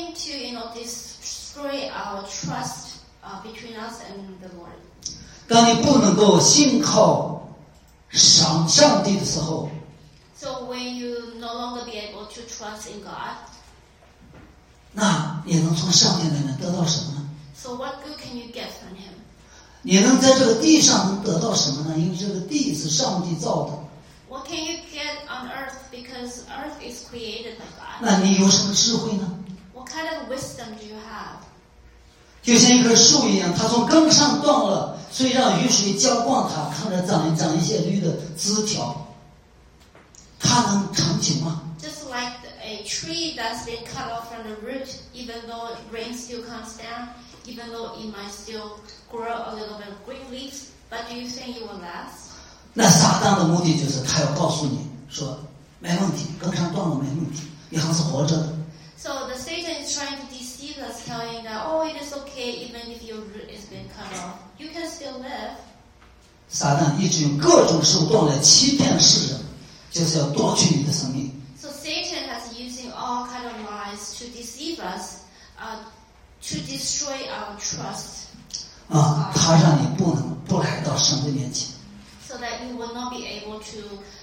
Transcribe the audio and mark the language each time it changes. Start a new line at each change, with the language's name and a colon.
English: To, you know, destroy our trust between us and the Lord.
Chinese: 当你不能够信靠上帝的时候，
English: so when you no longer be able to trust in God,
Chinese: 那你能从上帝那边得到什么呢？
English: So what good can you get from him?
Chinese: 你能在这个地上能得到什么呢？因为这个地是上帝造的。
English: What can you get on earth? Because earth is created by God.
Chinese: 那你有什么智慧呢？
English: What kind of wisdom do you have? So like a tree, it was broken from the branch, so let the water flow through it, so it will grow some leaves. Can it last? Just like a tree that's been cut off from the root, even though rain still comes down, even though it might still grow a little bit of green leaves, but do you think it will last? That Satan's purpose is to tell you, "No problem, the branch is broken, no problem, you are still alive." So the Satan is trying to deceive us, telling that, oh, it is okay, even if your root has been cut off, you can still live.
Chinese: Satan 一直用各种手段来欺骗世人，就是要夺取你的生命。
English: So Satan has using all kind of lies to deceive us, to destroy our trust.
Chinese: 啊，他让你不能不来到神的面前。
English: So that you will not be able to.